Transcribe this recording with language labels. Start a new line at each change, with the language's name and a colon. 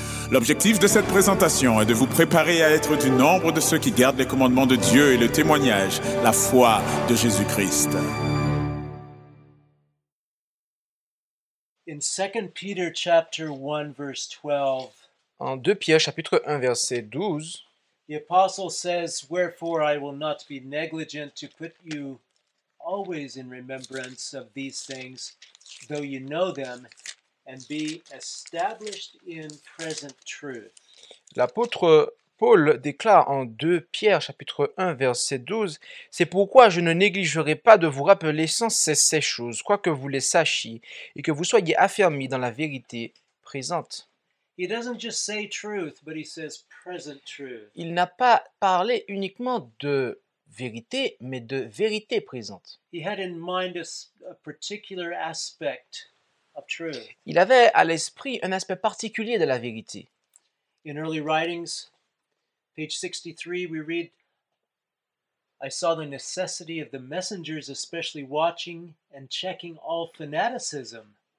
French: L'objectif de cette présentation est de vous préparer à être du nombre de ceux qui gardent les commandements de Dieu et le témoignage, la foi de Jésus-Christ.
English: In 2 Peter chapter 1 verse 12.
French: En 2 Pierre chapitre 1 verset 12.
English: The apostle says, "Wherefore I will not be negligent to put you always in remembrance of these things, though you know them, and be established in present truth."
French: L'apôtre Paul déclare en 2 Pierre chapitre 1 verset 12, c'est pourquoi je ne négligerai pas de vous rappeler sans cesse ces choses, quoi que vous les sachiez, et que vous soyez affermis dans la vérité présente.
English: He doesn't just say truth, but he says present truth.
French: Il n'a pas parlé uniquement de vérité, mais de vérité présente.
English: He had in mind a particular aspect of truth.
French: Il avait à l'esprit un aspect particulier de la vérité.
English: In early writings, page 63, we read, "I saw the necessity of the messengers especially watching and checking all fanaticism."